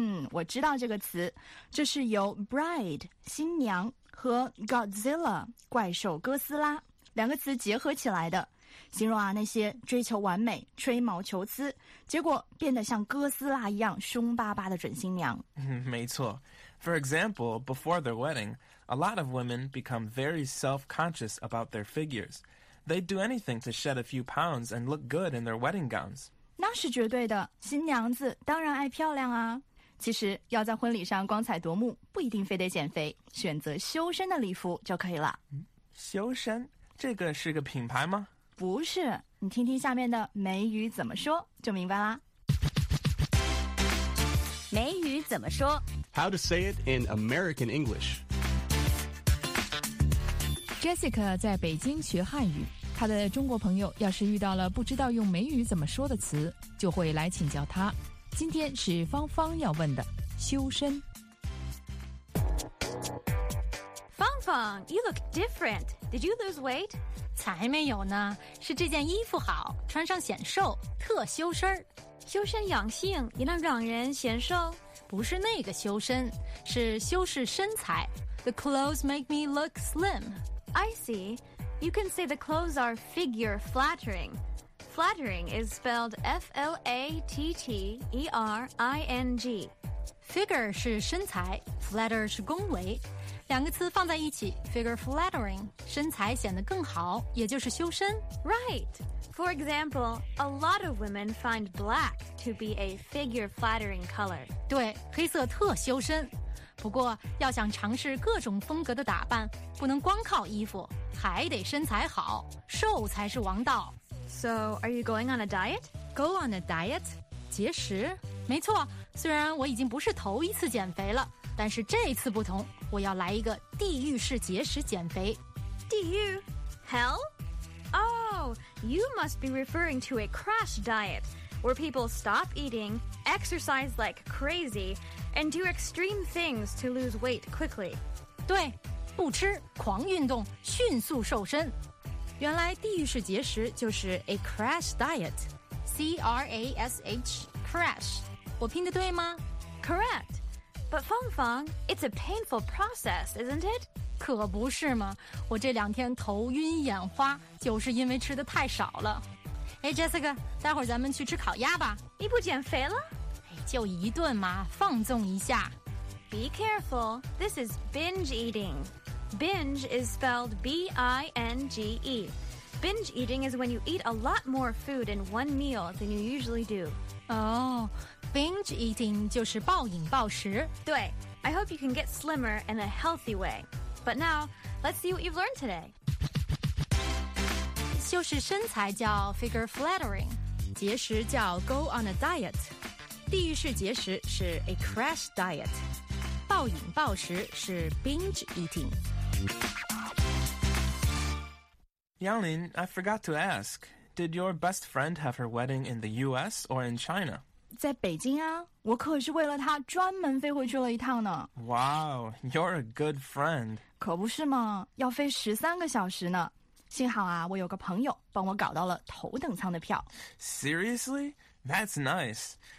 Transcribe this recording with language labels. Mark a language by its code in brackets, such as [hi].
[zh] 我知道这个词，这是由 bride 新娘和 Godzilla 怪兽哥斯拉两个词结合起来的，形容啊那些追求完美、吹毛求疵，结果变得像哥斯拉一样凶巴巴的准新娘。没错。 [en] For example, before their wedding, a lot of women become very self-conscious about their figures. They'd do anything to shed a few pounds and look good in their wedding gowns. [zh] 那是绝对的，新娘子当然爱漂亮啊。其实要在婚礼上光彩夺目，不一定非得减肥，选择修身的礼服就可以了。修身？这个是个品牌吗？不是，你听听下面的美语怎么说就明白啦。美语怎么说 [en] ？How to say it in American English? [zh] Jessica 在北京学汉语，她的中国朋友要是遇到了不知道用美语怎么说的词，就会来请教她。今天是芳芳要问的修身。 [en] 芳芳 ，You look different. Did you lose weight? [zh] 才没有呢，是这件衣服好，穿上显瘦，特修身。修身养性也能让人显瘦？不是那个修身，是修饰身材。 [en] The clothes make me look slim. I see. You can say the clothes are figure flattering. Flattering is spelled F-L-A-T-T-E-R-I-N-G. [zh] Figure 是身材 ，flatter 是恭维。两个词放在一起 ，figure flattering， 身材显得更好，也就是修身。 [en] Right. For example, a lot of women find black to be a figure flattering color. [zh] 对，黑色特修身。不过要想尝试各种风格的打扮，不能光靠衣服，还得身材好，瘦才是王道。 [en] So, are you going on a diet? Go on a diet? 节食？ [zh] 没错，虽然我已经不是头一次减肥了，但是这次不同，我要来一个地狱式节食减肥。地狱？Hell? [en] Oh, you must be referring to a crash diet, where people stop eating, exercise like crazy, and do extreme things to lose weight quickly. [zh] 对，不吃，狂运动，迅速瘦身。原来地狱式节食就是 a crash diet. C-R-A-S-H, crash. 我拼得对吗？ [en] Correct. But Feng Feng, it's a painful process, isn't it? [zh] 可不是嘛，我这两天头晕眼花，就是因为吃的太少了。哎 ，Jessica， 待会儿咱们去吃烤鸭吧。你不减肥了？哎，就一顿嘛，放纵一下。 [en] Be careful, this is binge eating. Binge is spelled B-I-N-G-E. Binge eating is when you eat a lot more food in one meal than you usually do. [zh] Oh, binge eating 就是暴饮暴食。 [en] 对 ，I hope you can get slimmer in a healthy way. But now, let's see what you've learned today. [zh] 修饰身材叫 figure flattering, 节食叫 go on a diet. 地狱式节食是 a crash diet. 暴饮暴食是 binge eating. [en] Yanlin, I forgot to ask, did your best friend have her wedding in the US or in China? [zh] 在北京啊，我可是为了他专门飞回去了一趟呢。 [en] Wow, you're a good friend. [zh] 可不是嘛，要飞13个小时呢。幸好啊，我有个朋友帮我搞到了头等舱的票。 [en] Seriously? That's nice.